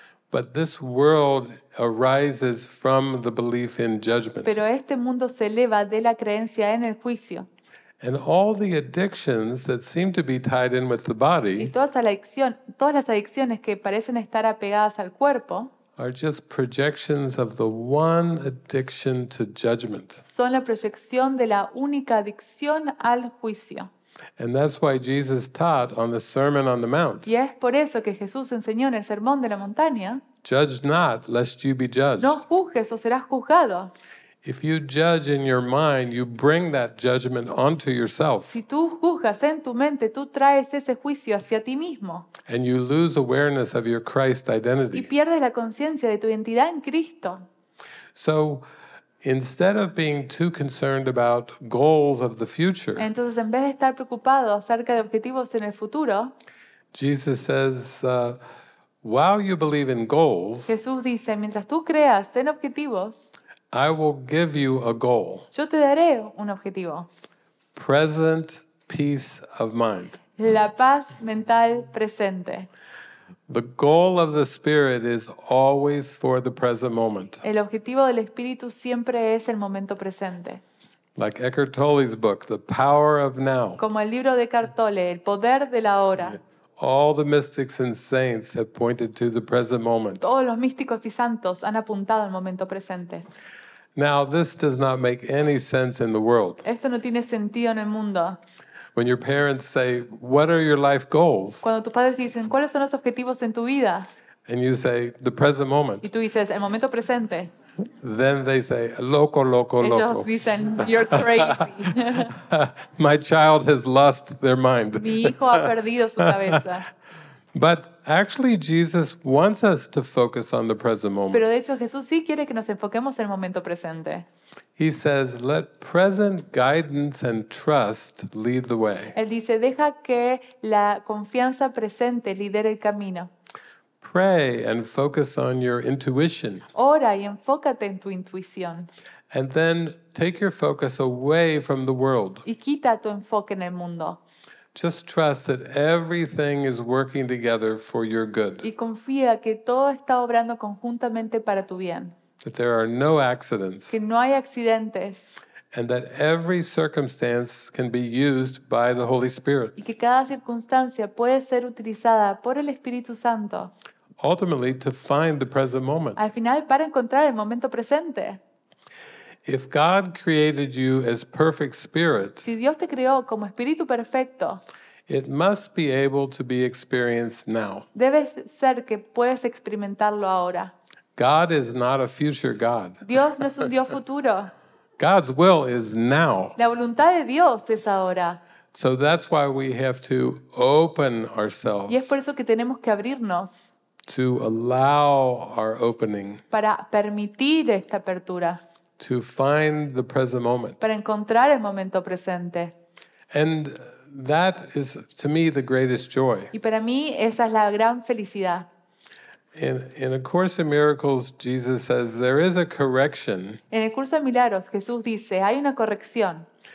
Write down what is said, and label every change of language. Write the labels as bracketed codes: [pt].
[en] But this world arises from the belief in judgment. [es] Pero este mundo se eleva de la creencia en el juicio. [en] And all the addictions that seem to be tied in with the body. [es] Y todas las adicciones que parecen estar apegadas al cuerpo. [en] Are just projections of the one addiction to judgment. [es] Son la proyección de la única adicción al juicio. [en] And that's why Jesus taught on the Sermon on the Mount. [es] Y es por eso que Jesús enseñó en el Sermón de la Montaña. [en] Judge not, lest you be judged. [es] No juzgues o serás juzgado. [en] If you judge in your mind, you bring that judgment onto yourself. [es] Si tú juzgas en tu mente, tú traes ese juicio hacia ti mismo. [en] And you lose awareness of your Christ identity. [es] Y pierdes la conciencia de tu identidad en Cristo. [en] So, instead of being too concerned about goals of the future. [es] Entonces, en vez de estar preocupado acerca de objetivos en el futuro, [en] Jesus says, while you believe in goals, [es] Jesús dice, mientras tú creas en objetivos, [en] I will give you a goal. [es] Yo te daré un objetivo. [en] Present peace of mind. [es] La paz mental presente. [en] The goal of the spirit is always for the present moment. [es] El objetivo del espíritu siempre es el momento presente. [en] Like Eckhart Tolle's book, The Power of Now. [es] Como el libro de Eckhart Tolle, El poder de la hora. [en] All the mystics and saints have pointed to the present moment. [es] Todos los místicos y santos han apuntado al momento presente. [en] Now, this does not make any sense in the world. [es] Esto no tiene sentido en el mundo. [en] When your parents say, "What are your life goals?" [es] Cuando tus padres dicen, "¿Cuáles son los objetivos en tu vida?" [en] And you say, "The present moment." [es] Y tú dices, "El momento presente." [en] Then they say, [es] "Loco, loco, loco." Ellos dicen, [en] "You're crazy." My child has lost their mind. [es] Mi hijo ha perdido su cabeza. [en] But actually, Jesus wants us to focus on the present moment. [es] Pero de hecho, Jesús sí quiere que nos enfoquemos en el momento presente. [en] He says, "Let present guidance and trust lead the way." [es] Él dice, deja que la confianza presente lidere el camino. [en] Pray and focus on your intuition. [es] Ora y enfócate en tu intuición. [en] And then take your focus away from the world. [es] Y quita tu enfoque en el mundo. [en] Just trust that everything is working together for your good. [es] Y confía que todo está obrando conjuntamente para tu bien. [en] That there are no accidents. [es] Que no hay accidentes. [en] And that every circumstance can be used by the Holy Spirit. [es] Y que cada circunstancia puede ser utilizada por el Espíritu Santo. [en] Ultimately, to find the present moment. [es] Al final, para encontrar el momento presente. [en] If God created you as perfect spirit, [es] si Dios te creó como espíritu perfecto, [en] it must be able to be experienced now. [es] Debe ser que puedes experimentarlo ahora. [en] God is not a future God. [es] Dios no es un Dios futuro. [en] God's will is now. [es] La voluntad de Dios es ahora. [en] So that's why we have to open ourselves. [es] Y es por eso que tenemos que abrirnos. [en] To allow our opening. [es] Para permitir esta apertura. [en] To find the present moment. [es] Para encontrar el momento presente. [en] And that is, to me, the greatest joy. [es] Y para mí esa es la gran felicidad. [en] In A Course in Miracles, Jesus says there is a correction. [es] En el curso de milagros, Jesús dice hay una corrección.